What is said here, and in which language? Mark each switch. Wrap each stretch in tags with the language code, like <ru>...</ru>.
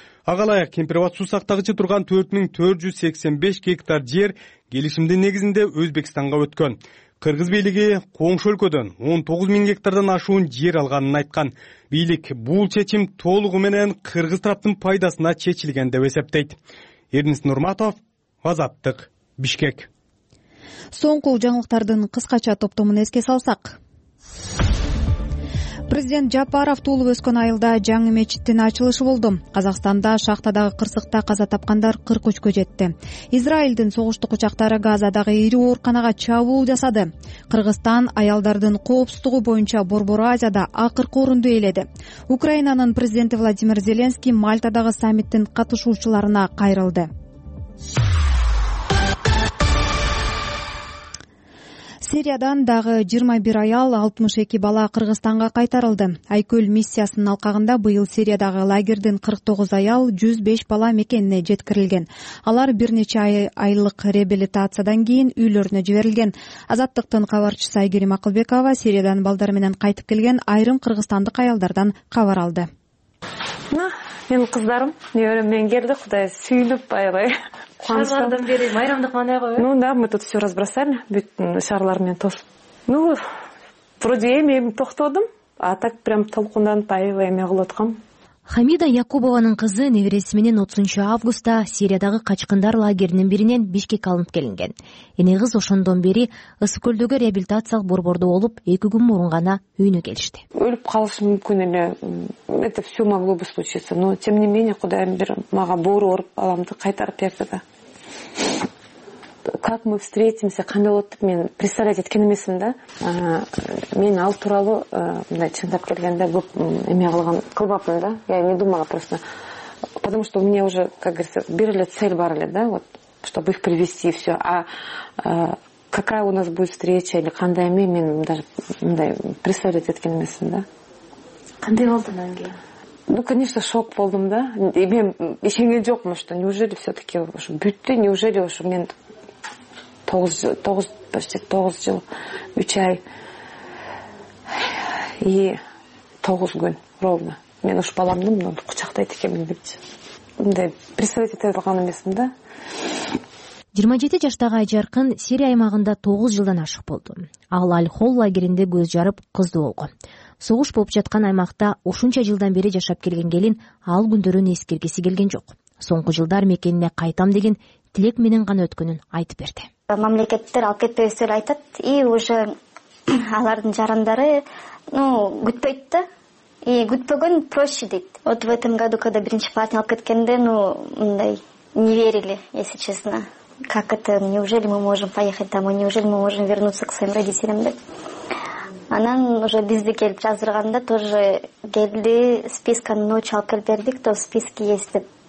<ky>Ага ылайык Кемпирабад суу сактагычы турган 4485 гектар жер келишимдин негизинде Өзбекстанга өткөн. Кыргыз бийлиги коңшу өлкөдөн 19000 гектардан ашуун жер алганын айткан. Бийлик бул чечим толугу менен кыргыз тараптын пайдасына чечилген деп эсептейт. Эрнис Нурматов, Азаттык, Бишкек. Соңку жаңылыктардын кыскача топтомун эске салсак. Президент Жапаров туулуп өскөн айылда жаңы мечиттин ачылышы болду. Казакстанда шахтадагы кырсыкта каза тапкандар 43 жетти. Израилдин согуштук учактары Газадагы ири ооруканага чабуул жасады. Кыргызстан аялдардын коопсуздугу боюнча Борбору Азияда акыркы орунду ээледи. Украинанын президенти Владимир Зеленский Мальтадагы саммиттин катышуучуларына кайрылды. Сириядан дагы 21 аял, 62 бала Кыргызстанга кайтарылды. Айкөл миссиясынын алкагында быйыл Сириядагы лагерден 49 аял, 105 бала мекенине жеткирилген. Алар бир нече айлык реабилитациядан кийин үйлөрүнө жиберилген. Азаттыктын кабарчысы Айгерим Акылбекова Сириядан балдар менен кайтып келген айрым кыргызстандык аялдардан кабар алды. менин кыздарым, неберем менен келди, Кудай сүйүнүп аябай. Шаарлардан бери майрамдык маанай го.</ky> <ru>Ну да, мы тут все разбросали,</ru> <ky>бүт шаарлар менен тос.</ky> <ru>Ну, вроде</ru> <ky>эми токтодум,</ky> <ru>а так прям</ru> <ky>толкунданып аябай эме кылып аткам. Хамида Якубованын кызы небереси менен 30 августта Сириядагы качкындар лагеринин биринен Бишкек алынып келинген. Эне кыз ошондон бери ысык көлдөгү реабилитациялык борбордо болуп, 2 күн мурун гана үйүнө келишти. Өлүп калышы мүмкүн эле.</ky> <ru>Это все могло бы случиться. Но тем не менее,</ru> <ky>Кудайым бир мага боору ооруп аламды кайтарып берди да.</ky> <ru>Как мы встретимся,</ru> <ky>кандай болот деп мен представлять эткен эмесмин да. Мен ал тууралуу мындай чындап келгенде көп эме кылбаппын да.</ky> <ru>Я не думала просто. Потому что у меня уже, как говорится,</ru> <ky>бир эле цель бар эле да,</ky> <ru>вот, чтобы их привести и все. А какая у нас будет встреча или</ru> <ky>кандай эме, мен даже мындай представлять эткен эмесмин да. Кандай болдуңан кийин? Ну, конечно, шок болдум да. И мен ишенген жокмун,</ky> <ru>что неужели все-таки</ru> <ky>ушу бүттү, неужели ушу мен 9 жыл, 3 ай и 9 күн ровно. Мен ушу баламды кучактайт экенмин депчи. Мындай представить эте алган эмесмин да. 27 жаштагы Айжаркын Сирия аймагында 9 жылдан ашык болду. Ал Аль-Хол лагеринде көз жарып кызды болгон. Согуш болуп жаткан аймакта ушунча жылдан бери жашап келген келин ал күндөрүн эскергеси келген жок. Соңку жылдар мекенине кайтам деген тилек менен гана өткөнүн айтып берди. Мамлекеттер алып кетпесе деп айтат</ky> <ru>и уже</ru> <ky>алардын жарандары күтпөйт да. И күтпөгөн проще дейт.</ky> <ru>Вот в этом году, когда</ru> <ky>биринчи партия алып кеткенде,</ky> <ru>мындай не верили, если честно. Как это, неужели мы можем поехать домой, неужели мы можем вернуться к своим родителям, да?</ru> <ky>Анан уже бизди келип жаздырганда тоже келди, списканы ночью алып келип берди,</ky> <ru>кто в списке есть</ru> <ky>деп.</ky>